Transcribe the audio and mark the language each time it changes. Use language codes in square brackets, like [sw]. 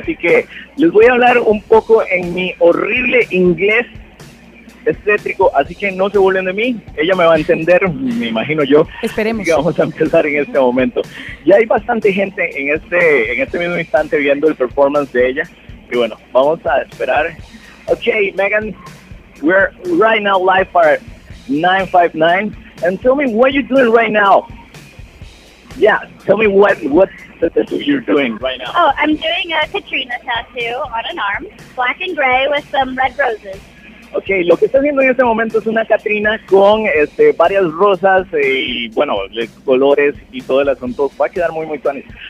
[es] Así que les voy a hablar un poco en mi horrible inglés estétrico, así que no se burlen de mí, ella me va a entender, me imagino yo. Esperemos. Y vamos a empezar en este momento. Ya hay bastante gente en este mismo instante viendo el performance de ella. Y bueno, vamos a esperar. [en] Ok, MEGAN, we're right now live at 959. And tell me what you're doing right now. Yeah, tell me what you're doing right now. Oh, I'm doing a Katrina tattoo on an arm, black and gray with some red roses. [es] Okay, lo que estás viendo en este momento es una Katrina con varias rosas y bueno, colores y todo el asunto. Va a quedar muy, muy funny.